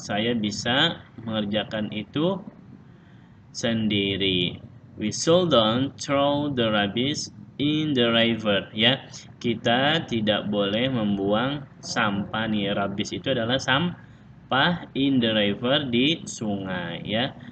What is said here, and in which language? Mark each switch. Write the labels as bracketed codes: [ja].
[id] Saya bisa mengerjakan itu sendiri. [en] We shouldn't throw the rubbish in the river ya. [id] Kita tidak boleh membuang sampah nih. Rubbish itu adalah sampah [en] in the river [id] di sungai ya.